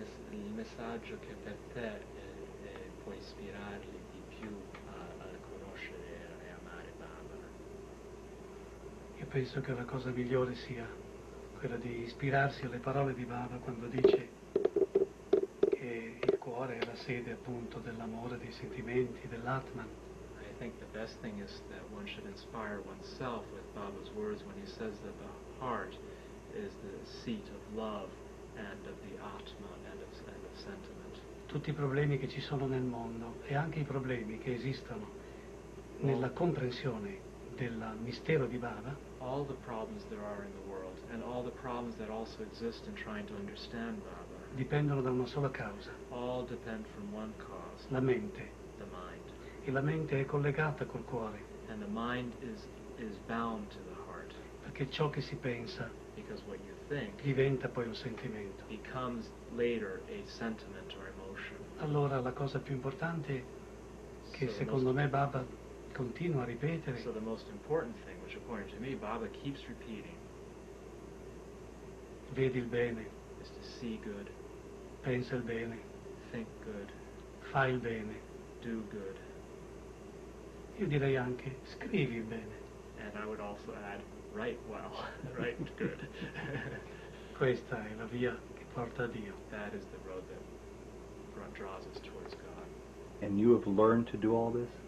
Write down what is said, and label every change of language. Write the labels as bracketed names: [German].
[Italian] Il messaggio che per te può ispirarli di più a conoscere e amare Baba. Io penso che la cosa migliore sia quella di ispirarsi alle parole di Baba quando dice che il cuore è la sede appunto dell'amore, dei sentimenti, dell'Atman. [English] I think the best thing is that one should inspire oneself with Baba's words when he says that the heart is the seat of love and of the Atman and of sentiment. [Italian] Tutti i problemi che ci sono nel mondo e anche i problemi che esistono nella comprensione del mistero di Baba. [English] All the problems there are in the world and all the problems that also exist in trying to understand Baba [Italian] dipendono da una sola causa. [English] All depend from one cause. [Italian] La mente. [English] The mind. [Italian] E la mente è collegata col cuore. [English] And the mind is bound to the heart. [Italian] Perché ciò che si pensa, [English] because what you think, [Italian] diventa poi un sentimento. [English] Becomes later a sentiment or emotion. [Italian] Allora la cosa più importante che [English] so [Italian] secondo me Baba continua a ripetere. [English] So the most important thing, which according to me Baba keeps repeating. [Italian] Vedi il bene. [English] Is to see good. [Italian] Pensa il bene. [English] Think good. [Italian] Fai il bene. [English] Do good. [Italian] Io direi anche scrivi il bene. [English] And I would also add write well. Write good. [Italian] Questa è la via che porta a Dio. [English] That is the road that draws us towards God. And you have learned to do all this?